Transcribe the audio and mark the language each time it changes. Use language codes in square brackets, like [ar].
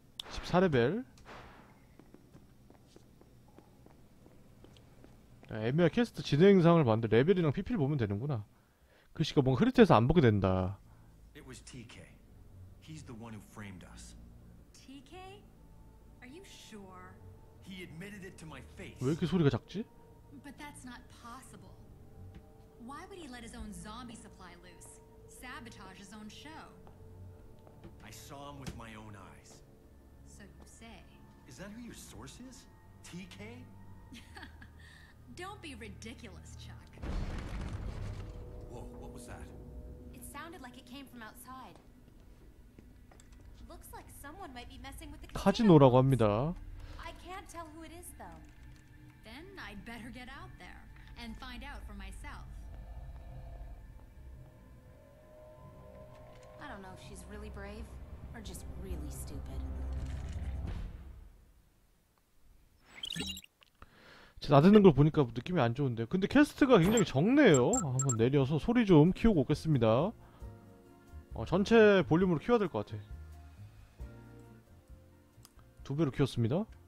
[ko] 14레벨. 애매한 퀘스트 진행상을 봤는데 레벨이랑 PP를 보면 되는구나. 글씨가 뭔가 흐릿해서 안 보게 된다. [en] It was TK. He's the one who framed us. TK? Are you sure? He admitted it to my face. [ko] 왜 이렇게 소리가 작지? [en] But that's not possible. Why would he let his own zombie supply loose? Sabotage his own show. I saw him with my own eyes. So you say. Is that who your source is? TK? Don't be ridiculous, Chuck. Whoa, what was that? It sounded like it came from outside. Looks like someone might be messing with the casino [ko] 라고 합니다. [en] I can't tell who it is though. Then I'd better get out there and find out for myself. I don't know if she's really brave or just really stupid. [ko] 나 듣는 걸 보니까 느낌이 안 좋은데. 근데 캐스트가 굉장히 적네요. 한번 내려서 소리 좀 키우고 오겠습니다. 전체 볼륨으로 키워야 될것 같아. 두 배로 키웠습니다.